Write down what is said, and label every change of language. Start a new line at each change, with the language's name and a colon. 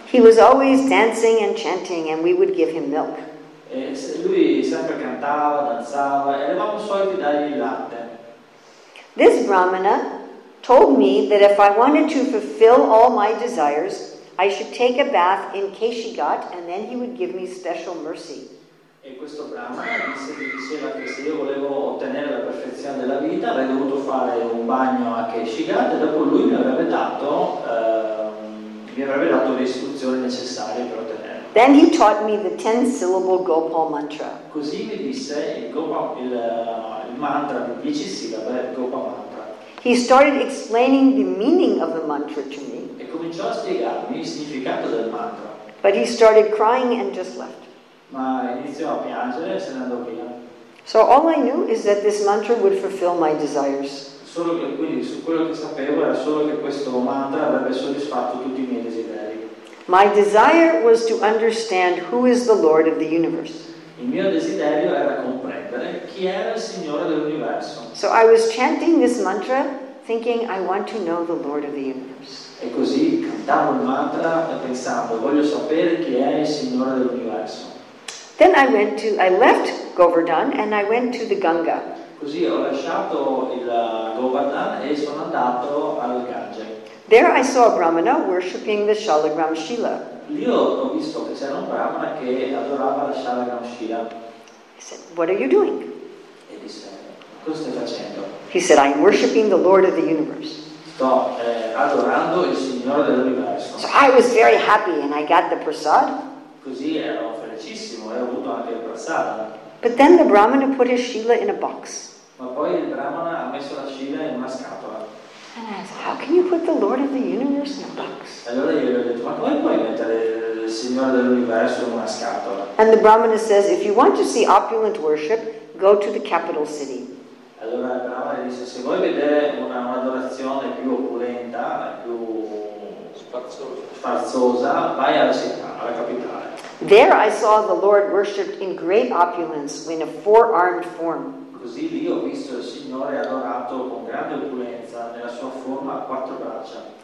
English: He was always dancing and chanting, and we would give him milk.
Italian: E lui sempre cantava, danzava, e eravamo soliti dargli il latte.
English: This Brahmana told me that if I wanted to fulfill all my desires, I should take a bath in Keshigat, and then he would give me special mercy.
Italian: E questo Brahmana diceva che se io volevo ottenere la perfezione della vita, avrei dovuto fare un bagno a Keshigat, e dopo lui mi avrebbe dato le istruzioni necessarie per ottenerlo.
English: Then he taught me the 10-syllable Gopal mantra.
Italian: Così mi disse il mantra di 10 sillabe, il Gopal mantra.
English: He started explaining the meaning of the mantra to me.
Italian: E cominciò a spiegarmi il significato del mantra.
English: But he started crying and just left.
Italian: Ma iniziò a piangere e se ne andò via.
English: So all I knew is that this mantra would fulfill my desires.
Italian: Solo che, quindi, su quello che sapevo era solo che questo mantra avrebbe soddisfatto tutti i miei desideri.
English: My desire was to understand who is the Lord of the universe.
Italian: Il mio desiderio era comprendere chi era il Signore dell'universo.
English: So I was chanting this mantra thinking I want to know the Lord of the universe.
Italian: E così cantavo il mantra pensando voglio sapere chi è il Signore dell'universo.
English: Then I left Govardhan and I went to the Ganga.
Italian: Così ho lasciato il Govardhan e sono andato al Gange.
English: There I saw a Brahmana worshipping the Shalagram Shila.
Italian: Io ho visto che c'era un Brahmana che adorava la Shalagram Shila.
English: He said, what are you doing?
Italian: E disse, cosa stai facendo?
English: He said, I'm worshipping the Lord of the universe.
Italian: Sto adorando il Signore dell'universo.
English: So I was very happy and I got the prasad.
Italian: Così ero felicissimo e ho avuto anche il prasad.
English: But then the Brahmana put his shila in a box.
Italian: Ma poi il Brahmana ha messo la shila in una scatola.
English: And I said, how can you put the Lord of the universe in a box?
Italian: Allora io gli ho detto, ma come puoi mettere il Signore dell'universo in una scatola?
English: And the Brahmana says, if you want to see opulent worship, go to the capital city.
Italian: Allora il Brahmana dice, se vuoi vedere un'adorazione più opulenta, più sfarzosa, vai alla città, alla capitale.
English: There I saw the Lord worshipped in great opulence in a four-armed form.
Italian: Così lì ho visto il Signore adorato con grande opulenza nella sua forma a quattro braccia.